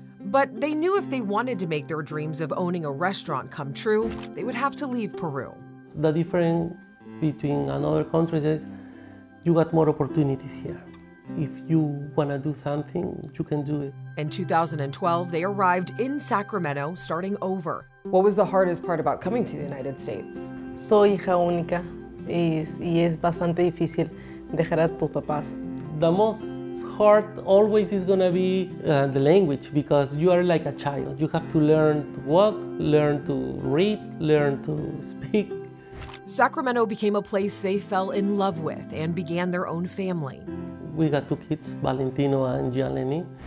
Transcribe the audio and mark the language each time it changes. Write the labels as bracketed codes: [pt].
[en] But they knew if they wanted to make their dreams of owning a restaurant come true, they would have to leave Peru. The difference between another countries is you got more opportunities here. If you want to do something, you can do it. In 2012, they arrived in Sacramento, starting over. What was the hardest part about coming to the United States? [es] Soy hija única, y es bastante difícil dejar a tus papás. [en] The most hard always is gonna be the language, because you are like a child. You have to learn to walk, learn to read, learn to speak. Sacramento became a place they fell in love with and began their own family. We got 2 kids, Valentino and Gianni.